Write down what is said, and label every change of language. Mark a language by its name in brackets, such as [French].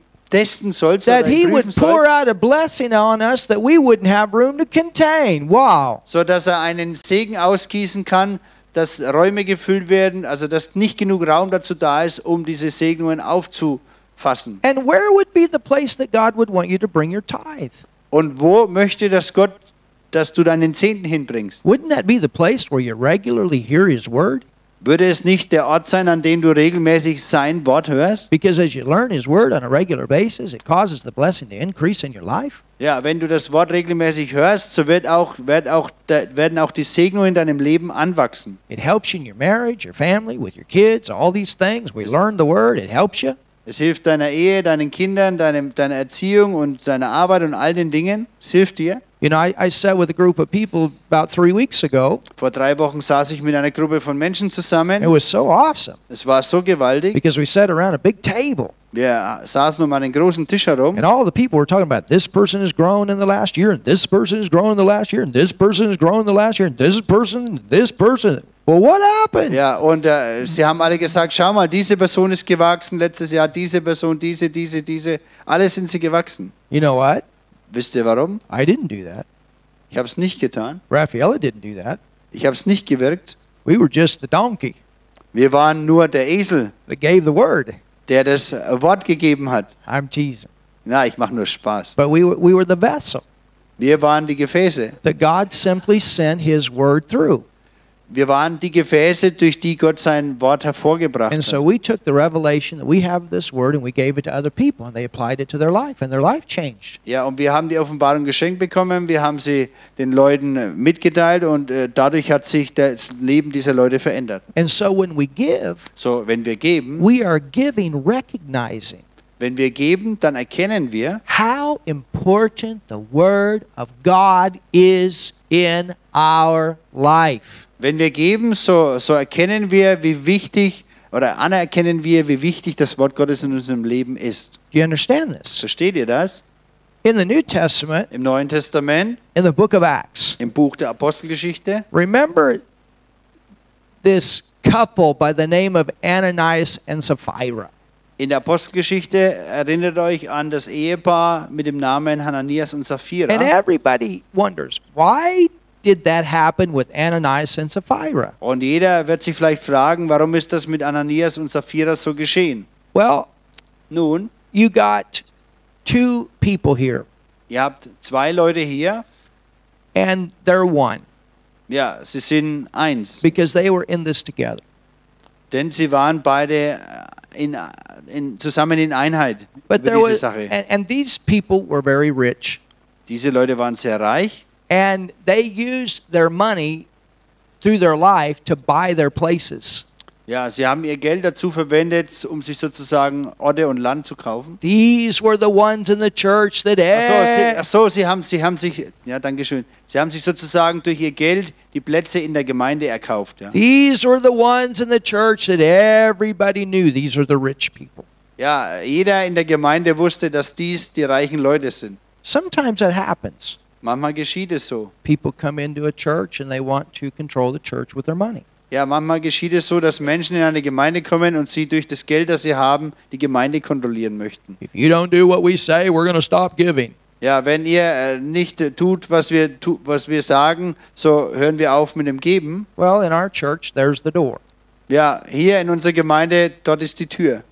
[English] that he would pour out a blessing on us that we wouldn't have room to contain. Wow. [German] So dass einen Segen ausgießen kann, dass Räume gefüllt werden, also dass nicht genug Raum dazu da ist, um diese Segnungen aufzufassen. [English] And where would be the place that God would want you to bring your tithe? [German] Und wo möchte das Gott, dass du deinen Zehnten hinbringst? [English] Wouldn't that be the place where you regularly hear his word? [German] Würde es nicht der Ort sein, an dem du regelmäßig sein Wort hörst? [English] Because as you learn his word on a regular basis, it causes the blessing to increase in your life. [German] Ja, wenn du das Wort regelmäßig hörst, so werden auch die Segnungen in deinem Leben anwachsen. [English] It helps you in your marriage, your family, with your kids, all these things. We learn the word, it helps you. [German] Es hilft deiner Ehe, deinen Kindern, deiner Erziehung und deiner Arbeit und all den Dingen. Es hilft dir. [English] You know, I sat with a group of people about 3 weeks ago. [German] Vor 3 Wochen saß ich mit einer Gruppe von Menschen zusammen. [English] It was so awesome. [German] Es war so gewaltig. [English] Because we sat around a big table. [German] Wir saßen um einen großen Tisch herum. [English] And all the people were talking about this person has grown in the last year, and this person has grown in the last year, and this person has grown in the last year, and this person, and this person. Well, what happened? [German] Ja, und sie haben alle gesagt, schau mal, diese Person ist gewachsen letztes Jahr, diese Person, diese. Alle sind sie gewachsen. [English] You know what? [German] Wisst ihr warum? [English] I didn't do that. [German] Ich habe es nicht getan. [English] Raffaella didn't do that. [German] Ich habe es nicht gewirkt. [English] We were just the donkey. [German] Wir waren nur der Esel. [English] That gave the word. [German] Der das Wort gegeben hat. [English] I'm teasing. [German] Na, ich mache nur Spaß. [English] But we were the vessel. [German] Wir waren die Gefäße. [English] That God simply sent his word through. [German] Wir waren die Gefäße, durch die Gott sein Wort hervorgebracht [English] hat. And so we took the revelation that we have this word and we gave it to other people and they applied it to their life and their life changed. [German] Ja, und wir haben die Offenbarung geschenkt bekommen, wir haben sie den Leuten mitgeteilt und dadurch hat sich das Leben dieser Leute verändert. [English] And so when we give, [German] so wenn wir geben, [English] we are giving recognizing. [German] Wenn wir geben, dann erkennen wir, [English] how important the word of God is in our life. [German] Wenn wir geben, so erkennen wir, wie wichtig, oder anerkennen wir, wie wichtig das Wort Gottes in unserem Leben ist. [English] Do you understand this? [German] Versteht ihr das? [English] In the New Testament, [German] im Neuen Testament, [English] in the book of Acts, [German] im Buch der Apostelgeschichte, [English] remember this couple by the name of Ananias and Sapphira. [German] In der Apostelgeschichte erinnert euch an das Ehepaar mit dem Namen Hananias und Sapphira. [English] And everybody wonders, why did that happen with Ananias and Sapphira? [German] Und jeder wird sich vielleicht fragen, warum ist das mit Ananias und Sapphira so geschehen? [English] Well, [German] nun, [English] you got two people here. [German] Ihr habt zwei Leute hier. [English] And they're one. [German] Ja, sie sind eins. [English] Because they were in this together. [German] Denn sie waren beide in zusammen in Einheit [English] but [German] über diese Sache. [English] And these people were very rich. [German] Diese Leute waren sehr reich. [English] And they used their money through their life to buy their places. [German] Ja, sie haben ihr Geld dazu verwendet, um sich sozusagen Orte und Land zu kaufen. [English] These were the ones in the church that [German] Sie haben sich sozusagen durch ihr Geld die Plätze in der Gemeinde erkauft, ja. [English] These were the ones in the church that everybody knew. These are the rich people. [German] Ja, jeder in der Gemeinde wusste, dass dies die reichen Leute sind. [English] Sometimes that happens. [German] Manchmal geschieht es so. [English] People come into a church and they want to control the church with their money. [German] Ja, manchmal geschieht es so, dass Menschen in eine Gemeinde kommen und sie durch das Geld, das sie haben, die Gemeinde kontrollieren möchten. [English] If you don't do what we say, we're going to stop giving. [German] Ja, wenn ihr nicht tut, was wir sagen, so hören wir auf mit dem Geben. [English] Well, in our church, there's the door. [German] Ja, hier in unserer Gemeinde, dort ist die Tür.